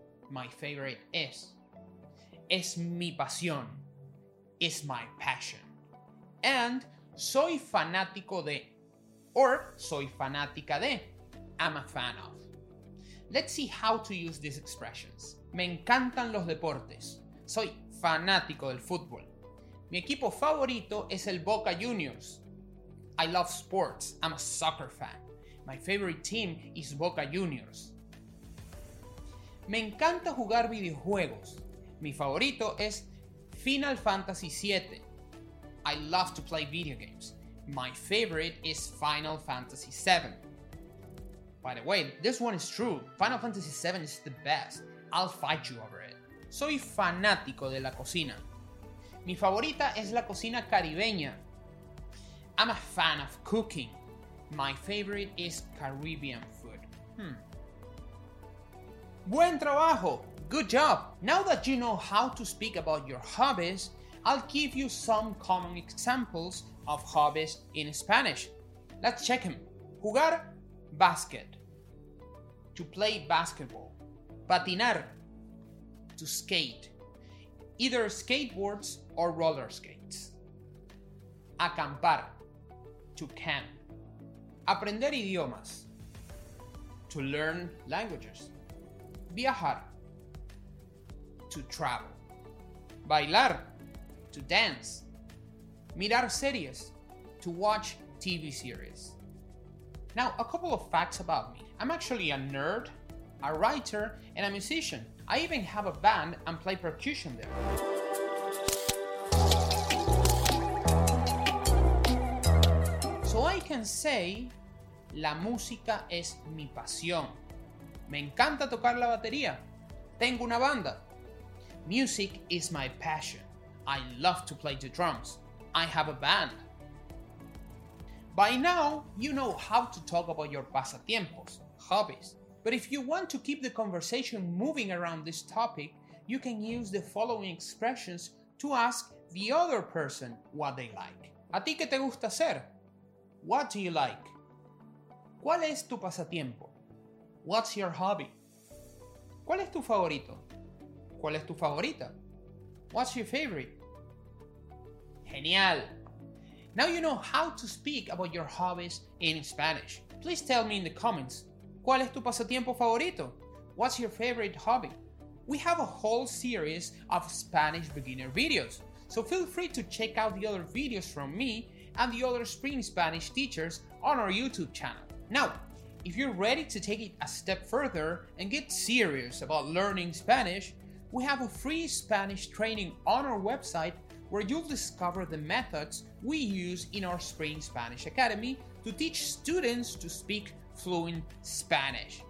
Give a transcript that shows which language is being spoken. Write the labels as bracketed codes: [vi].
[en] My favorite is. [es] Es mi pasión. [en] Is my passion. And [es] soy fanático de. [en] Or [es] soy fanática de. [en] I'm a fan of. Let's see how to use these expressions. [es] Me encantan los deportes. Soy fanático del fútbol. Mi equipo favorito es el Boca Juniors. [en] I love sports. I'm a soccer fan. My favorite team is Boca Juniors. [es] Me encanta jugar videojuegos. Mi favorito es Final Fantasy VII. [en] I love to play video games. My favorite is Final Fantasy VII. By the way, this one is true. Final Fantasy VII is the best. I'll fight you over it. [es] Soy fanático de la cocina. Mi favorita es la cocina caribeña. [en] I'm a fan of cooking. My favorite is Caribbean food. [es] Buen trabajo! [en] Good job! Now that you know how to speak about your hobbies, I'll give you some common examples of hobbies in Spanish. Let's check them. Jugar, basket, to play basketball. Patinar, to skate, either skateboards or roller skates. Acampar, to camp. [es] Aprender idiomas, [en] to learn languages. Viajar, to travel. Bailar, to dance. [es] Mirar series, [en] to watch TV series. Now, a couple of facts about me. I'm actually a nerd, a writer, and a musician. I even have a band and play percussion there. So I can say, [es] la música es mi pasión. Me encanta tocar la batería. [en] Tengo una banda. Music is my passion. I love to play the drums. I have a band. By now, you know how to talk about your pasatiempos, hobbies. But if you want to keep the conversation moving around this topic, you can use the following expressions to ask the other person what they like. [es] ¿A ti qué te gusta hacer? [en] What do you like? [es] ¿Cuál es tu pasatiempo? [en] What's your hobby? [es] ¿Cuál es tu favorito? ¿Cuál es tu favorita? [en] What's your favorite? [es] Genial! [en] Now you know how to speak about your hobbies in Spanish. Please tell me in the comments, [es] ¿cuál es tu pasatiempo favorito? [en] What's your favorite hobby? We have a whole series of Spanish beginner videos, so feel free to check out the other videos from me and the other Spring Spanish teachers on our YouTube channel. Now, if you're ready to take it a step further and get serious about learning Spanish, we have a free Spanish training on our website where you'll discover the methods we use in our Spring Spanish Academy to teach students to speak fluent Spanish.